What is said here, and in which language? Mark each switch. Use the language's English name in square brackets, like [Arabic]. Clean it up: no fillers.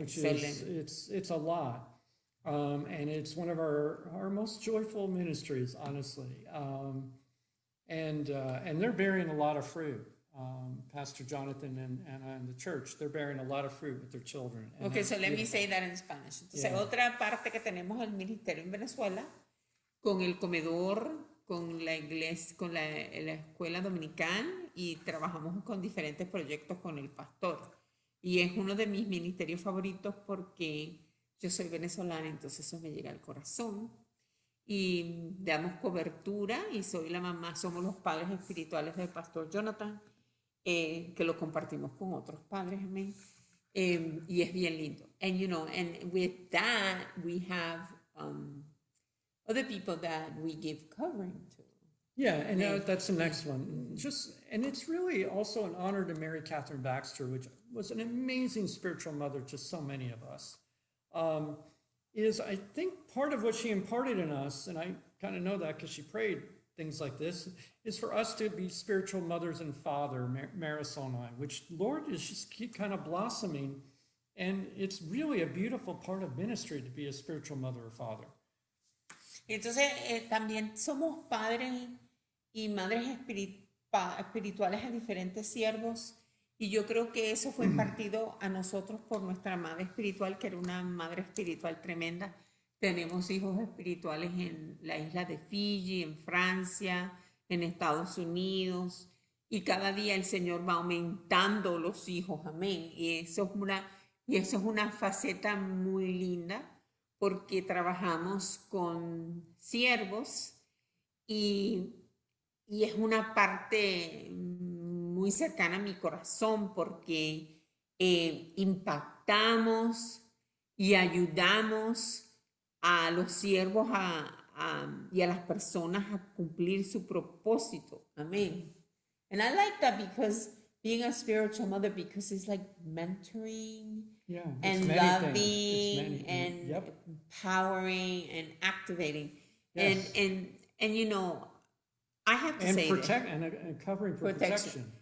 [English] Which excellent. It's a lot. And it's one of our most joyful ministries, honestly. And they're bearing a lot of fruit. Pastor Jonathan and Anna and the church, they're bearing a lot of fruit with their children. And okay, so let me say that in Spanish. [Spanish] Entonces, yeah. Otra parte que tenemos el ministerio en Venezuela, con el comedor, con la iglesia, con la escuela dominical, y trabajamos con diferentes proyectos con el pastor. Y es uno de mis ministerios favoritos porque yo soy venezolana, entonces eso me llega al corazón. Y damos cobertura y soy la mamá, somos los padres espirituales del pastor Jonathan, que lo compartimos con otros padres, amén. Y es bien lindo. [English] And you know, and with that, we have other people that we give covering to. Yeah, and now that's the next one. Just, and it's really also an honor to Mary Catherine Baxter, which was an amazing spiritual mother to so many of us. Is I think part of what she imparted in us, and I kind of know that because she prayed things like this, is for us to be spiritual mothers and father, Marisol and I, which Lord is just keep kind of blossoming. And it's really a beautiful part of ministry to be a spiritual mother or father. [Spanish] Entonces, también somos padres y madres espirituales a diferentes siervos. Y yo creo que eso fue impartido a nosotros por nuestra madre espiritual, que era una madre espiritual tremenda. Tenemos hijos espirituales en la isla de Fiji, en Francia, en Estados Unidos. Y cada día el Señor va aumentando los hijos. Amén. Y eso es una faceta muy linda porque trabajamos con siervos y es una parte muy cercana a mi corazón porque impactamos y ayudamos a los siervos y a las personas a cumplir su propósito. Amén. [English] And I like that because being a spiritual mother, because it's like mentoring, yeah, and loving and empowering and activating. Yes. And you know, I have to say and covering for protection.